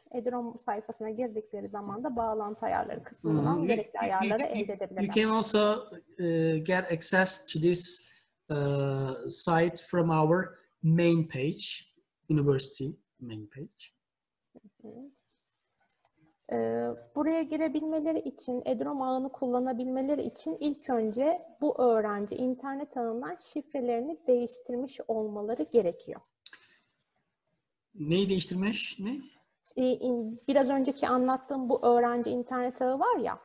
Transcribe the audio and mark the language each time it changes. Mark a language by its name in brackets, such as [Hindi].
[Turkish] Edrom sayfasına girdikleri zaman da bağlantı ayarları kısmından gerekli ayarları elde edebilirler. [English] You can also get access to this site from our main page, university main page. [Turkish] Buraya girebilmeleri için, Edrom ağını kullanabilmeleri için ilk önce bu öğrenci internet ağından şifrelerini değiştirmiş olmaları gerekiyor. Neyi değiştirmiş? Ne? Biraz önceki anlattığım bu öğrenci internet ağı var ya.